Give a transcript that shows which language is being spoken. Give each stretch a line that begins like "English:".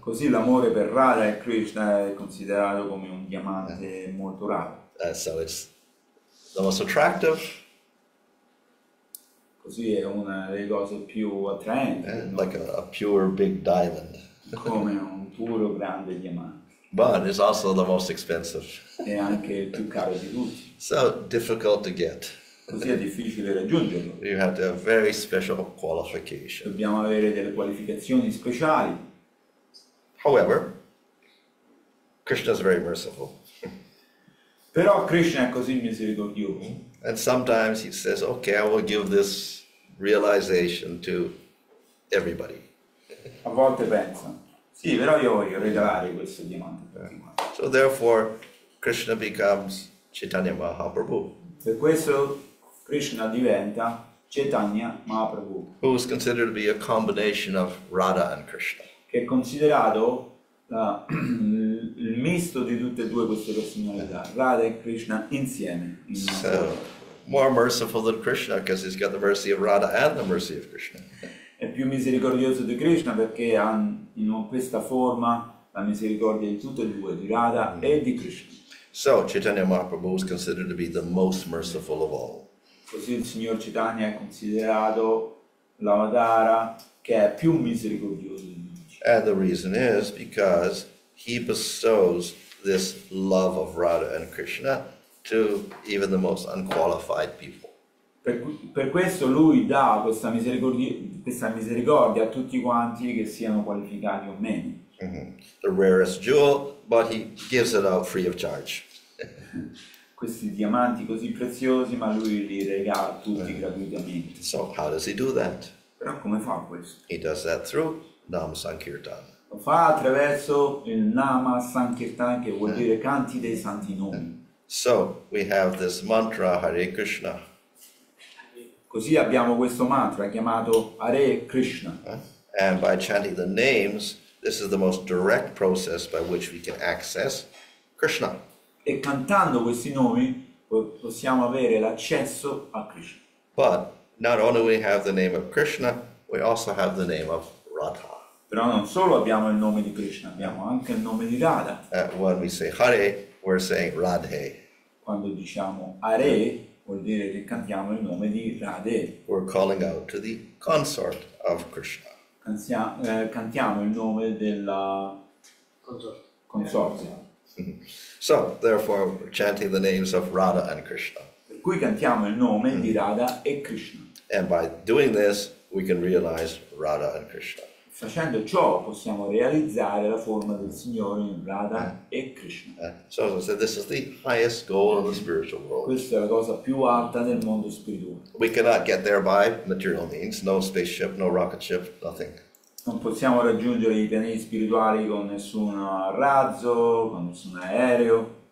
Italian: Così l'amore per Radha e Krishna è considerato come un diamante molto raro.
English: So it's the most attractive.
Italian: Così è una delle cose più attraenti.
English: Like a pure big diamond.
Italian: Come un puro grande diamante.
English: But it's also the most expensive.
Italian: È anche il più caro di tutti.
English: So difficult to get.
Italian: Così è difficile raggiungerlo.
English: You have to have very special qualification.
Italian: Dobbiamo avere delle qualificazioni speciali.
English: However, Krishna is very merciful.
Italian: Però Krishna è così misericordioso.
English: And sometimes he says, okay, I will give this realization to everybody.
Italian: A volte pensa, sì, però io voglio regalare questo diamante.
English: So therefore, Krishna becomes Chaitanya Mahaprabhu.
Italian: Per questo Krishna diventa Chaitanya Mahaprabhu.
English: Who is considered to be a combination of Radha and Krishna.
Italian: Che è considerato il misto di tutte e due queste personalità, Radha e Krishna insieme.
English: So, more merciful than Krishna, because he's got the mercy of Radha and the mercy of Krishna.
Italian: È più misericordioso di Krishna perché ha in questa forma la misericordia di tutte e due, di Radha e di Krishna.
English: So Chaitanya Mahaprabhu is considered to be the most merciful of all.
Italian: Così il signor Chaitanya è considerato l'avatara che è più misericordioso di Krishna.
English: And the reason is because he bestows this love of Radha and Krishna to even the most unqualified people.
Italian: Per questo lui dà questa misericordia a tutti quanti che siano qualificati o meno.
English: The rarest jewel, but he gives it out free of charge.
Italian: Questi diamanti così preziosi, ma lui li regala tutti gratuitamente.
English: So how does he do that?
Italian: Però come fa questo?
English: He does that through Nam Sankirtan.
Italian: Lo fa attraverso il Nama Sankirtan, che vuol dire canti dei santi nomi.
English: So we have this mantra Hare Krishna.
Italian: Così abbiamo questo mantra chiamato Hare Krishna.
English: And by chanting the names, this is the most direct process by which we can access Krishna.
Italian: E cantando questi nomi possiamo avere l'accesso a Krishna.
English: But not only we have the name of Krishna, we also have the name of Radha.
Italian: Però non solo abbiamo il nome di Krishna, abbiamo anche il nome di Radha.
English: When we say Hare, we're saying Radhe.
Italian: Quando diciamo Hare, vuol dire che cantiamo il nome di Radhe.
English: We're calling out to the consort of Krishna.
Italian: cantiamo il nome della consorte.
English: So, therefore, chanting the names of Radha and Krishna.
Italian: Per cui cantiamo il nome di Radha e Krishna.
English: And by doing this, we can realize Radha and Krishna.
Italian: Facendo ciò possiamo realizzare la forma del Signore in Radha e Krishna.
English: So, as I said, this is the highest goal of the spiritual world.
Italian: Questa è la cosa più alta del mondo spirituale.
English: We cannot get there by material means, no spaceship, no rocket ship, nothing.
Italian: Non possiamo raggiungere i pianeti spirituali con nessun razzo, con nessun aereo.